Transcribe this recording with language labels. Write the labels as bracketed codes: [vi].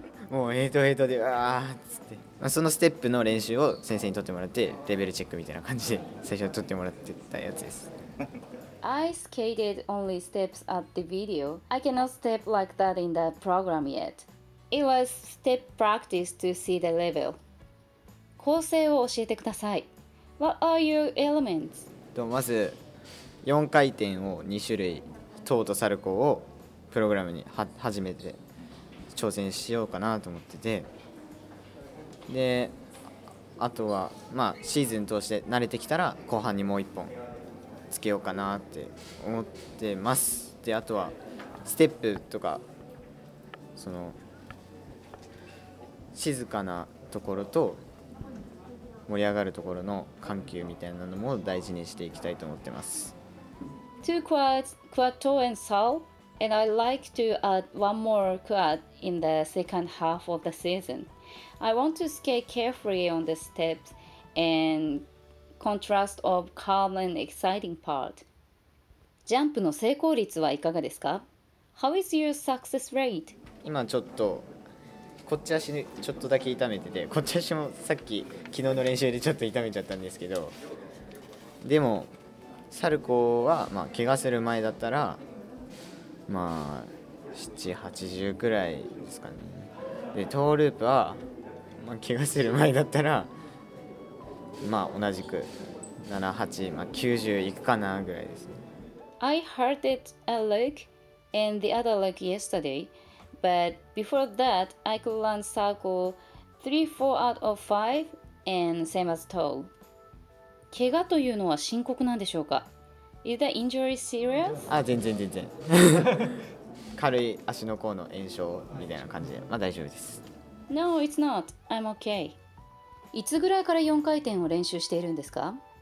[ja] もうヘトヘトでわーっつって、そのステップの練習を先生に撮ってもらって、レベルチェックみたいな感じで最初撮ってもらってたやつです。 [en] I skated only steps at the video. I cannot step like that in the program yet. It was step practice to see the level. [ja] 構成を教えてください。 [en] What are your elements? [ja] まず4回転を2種類、トーとサルコーをプログラムに初めて挑戦しようかなと思ってて、で、あとはまあシーズン通して慣れてきたら後半にもう1本つけようかなって思ってます。で、あとはステップとかその静かなところと盛り上がるところの緩急みたいなのも大事にしていきたいと思ってます。 [en] Two quads, quattro and sol, and I'd like to add one more quad in the second half of the season. I want to skate carefully on the steps and contrast of calm and exciting part. [ja] ジャンプの成功率はいかがですか？ [en] How is your success rate? [ja] 今ちょっとこっち足ちょっとだけ痛めてて、こっち足もさっき昨日の練習でちょっと痛めちゃったんですけど、でもサルコーはまあ怪我する前だったらまあ7、80くらいですかね。でトーループはまあ怪我する前だったらまあ同じく7、8、まあ90いくかなぐらいですね。 [en] I hurt it a leg and the other leg yesterdayBut before that, I could learn circle 3-4 out of 5 and same as toe. [ja] 怪我というのは深刻なんでしょうか？ [en] Is the injury serious? [ja] あ、全然全然。軽い足の甲の炎症みたいな感じで、まあ大丈夫です。 [en] No, it's not. I'm okay. [ja] いつぐらいから4回転を練習しているんですか？